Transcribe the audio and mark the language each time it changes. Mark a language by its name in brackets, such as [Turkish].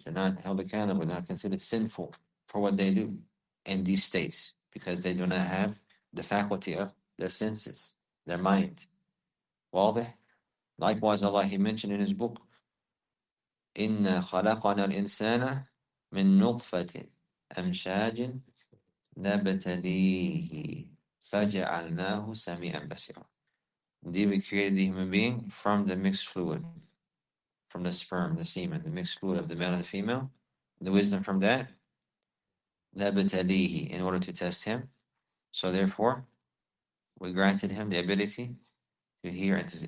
[English] They're not held accountable. They're not considered sinful for what they do in these states because they do not have the faculty of their senses, their mind. Waadih? Likewise, Allah, He mentioned in His book, [Arabic] Inna khalaqana al insana. من نطفة أمشاج نبتليه فجعلناه سميعا بصيرا. [English] Indeed, we created the human being from the mixed fluid, from the sperm, the semen, the mixed fluid of the male and the female. The wisdom from that, [Arabic] نبتليه, [English] in order to test him. So therefore, we granted him the ability to hear and to see.